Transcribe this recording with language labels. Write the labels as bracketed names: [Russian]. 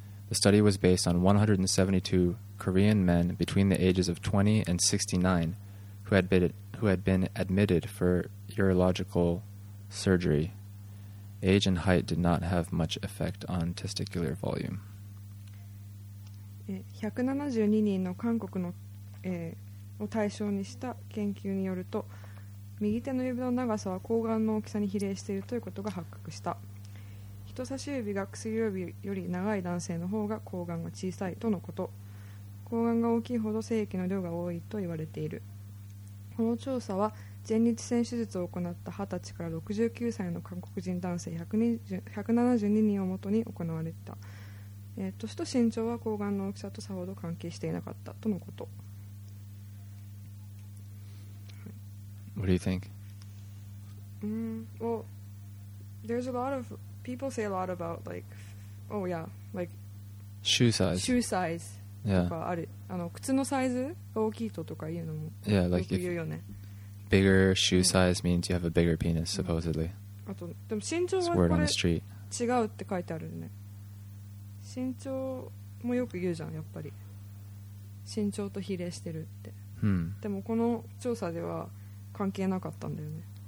[English] The study was based on 172 Korean men between the ages of 20 and 69 who had been admitted for urological surgery. Age and height did not have much effect on testicular volume. [Japanese] 172人の韓国の、を対象にした研究によると、右手の指の長さは睾丸の大きさに比例しているということが発覚した。人差し指が薬指より長い男性の方が睾丸が小さいとのこと。睾丸が大きいほど精液の量が多いと言われている。この調査は前立腺手術を行った20歳から69歳の韓国人男性172人をもとに行われた。年と身長は睾丸の大きさとさほど関係していなかったとのこと。 [English] What do you think? Well, there's a lot of people say a lot about like, oh yeah, like shoe size. Yeah. [Japanese] あれ、あの、靴のサイズが大きいととかいうのも。 [English] Yeah, like [Japanese] よく言うよね。 [English] Bigger shoe size means you have a bigger penis, supposedly. [Japanese] あと、でも身長はこれ違うって書いてあるね。身長もよく言うじゃん、やっぱり。身長と比例してるって。でもこの調査では。関係なかったんだよね。